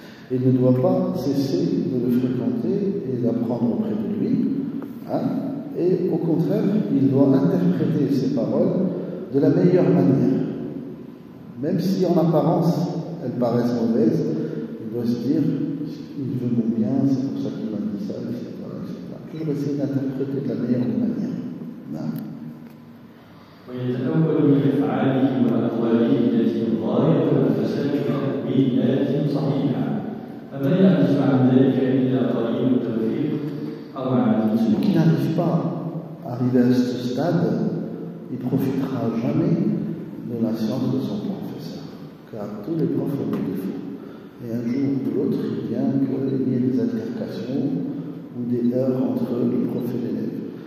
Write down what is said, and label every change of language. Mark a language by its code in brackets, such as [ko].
[fr] Il ne doit pas cesser de le fréquenter et d'apprendre auprès de lui, hein, et au contraire, il doit interpréter ses paroles de la meilleure manière. Même si en apparence elles paraissent mauvaises, il doit se dire. Il veut mon bien, c'est pour ça qu'il m'a dit ça, etc. Toujours essayer d'interpréter de la meilleure manière. Non. [ar] ويتأول بأفعاله وأقواله التي ظاهرة الفساد بنيات صحيحة، فما يعزف عن ذلك إلا قليل التوفيق أو عزيز المسلم. [fr] Arrivé à ce stade, il ne profitera jamais de la science de son professeur, car tous les profs ont des défauts. Et un jour ou l'autre, il vient qu'il y ait des altercations ou des heurts entre le prof et l'élève.